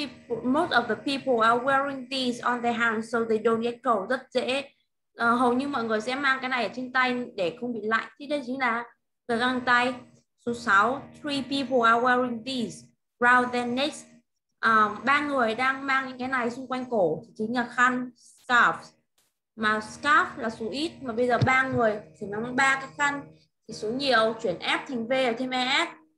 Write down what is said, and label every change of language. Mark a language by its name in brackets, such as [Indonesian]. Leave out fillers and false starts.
[English] Most of the people are wearing these on their hands so they don't get cold. [Vietnamese] Rất dễ. Hầu như mọi người sẽ mang cái này ở trên tay để không bị lạnh. Thì đây chính là cái găng tay. Số 6. [English] Three people are wearing these round their necks. [Vietnamese] Ba người đang mang những cái này xung quanh cổ, chính là khăn, scarf. Mà scarf là số ít, mà bây giờ ba người thì mang ba cái khăn thì số nhiều, chuyển F thành V rồi thêm ES.